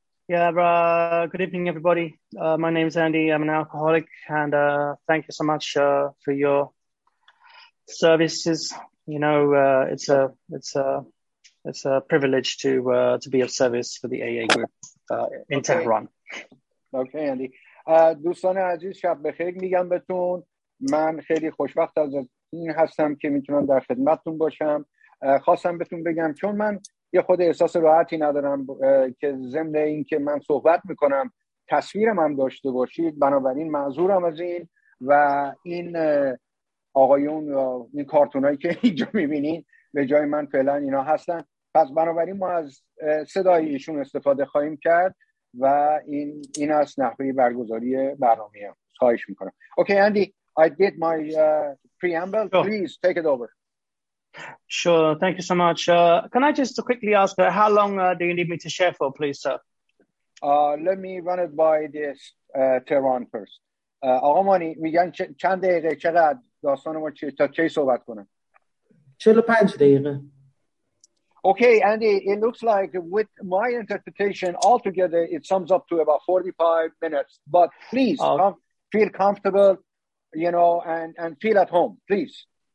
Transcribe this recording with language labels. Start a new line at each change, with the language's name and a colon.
English: Good evening, everybody. My name is Andy. I'm an alcoholic, and thank you so much for your services. You know, it's a privilege to be of service for the AA group in Tehran. Okay, Andy.
Persian: دوستان عزیز، شب بخیر میگم بهتون. من خیلی خوشبخت از این هستم که میتونم در خدمتتون باشم. خواستم بهتون بگم چون من یه خود احساس راحتی ندارم که ضمن این که من صحبت میکنم تصویرم هم داشته باشید، بنابراین معذورم از این، و این آقایون و این کارتونایی که اینجا میبینین به جای من فعلا اینا هستن، پس بنابراین ما از صدای ایشون استفاده خواهیم کرد و این است نحوه برگزاری برنامه. خواهش میکنم.
English: Okay Andy, I did my preamble. Please take it over. Sure, thank you so much. Can I just quickly ask how long do you need me to share for, please, sir? Let me run it by this Tehran first.
Persian: آقا مانی میگن چند دقیقه، چقدر داستان ما چی، تا چی صحبت کنم؟ 45 دقیقه.
English: Okay, Andy, it looks like with my interpretation altogether it sums up to about 45 minutes, but please feel comfortable, you know, and feel at home, please.